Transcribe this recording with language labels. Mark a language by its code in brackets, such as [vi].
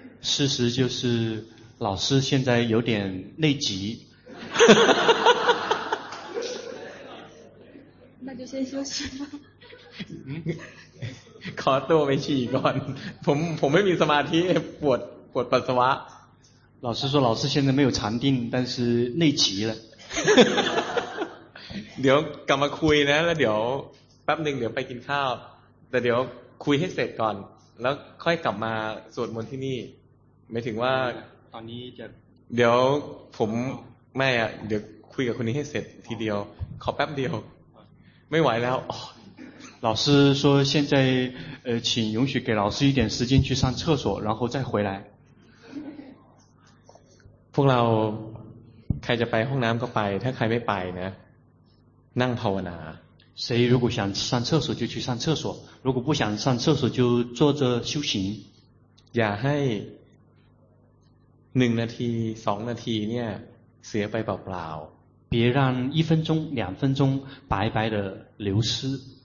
[zh] 事实就是老师现在有点内急那就先休息吧 [th] ขอตัวไปฉี่ก่อนผมไม่มีสมาธิปวดปัสสาวะ [zh] 老师说老师现在没有禅定但是内急了 [th] เดี๋ยวกลับมาคุยนะแล้วเดี๋ยวแป๊บนึงเดี๋ยวไปกินข้าวแต่เดี๋ยวคุยให้เสร็จก่อนแล้วค่อยกลับมาสวดมนต์ที่นี่ไม่ถึงว่า ตอนนี้จะ เดี๋ยวผมไม่อ่ะเดี๋ยวคุยกับคนนี้ให้เสร็จทีเดียวขอแป๊บเดียวไม่ไหวแล้ว [zh] 老师说现在请允许给老师一点时间去上厕所然后再回来 [th] พวกเราใครจะไปห้องน้ำก็ไปถ้าใครไม่ไปนะนั่งภาวนา [zh] 谁如果想上厕所就去上厕所如果不想上厕所就坐着修行 [th] อย่าให้1นาที2นาทีเนี่ยเสียไปเปล่า [zh] ๆ别让1分钟2分钟白白的流失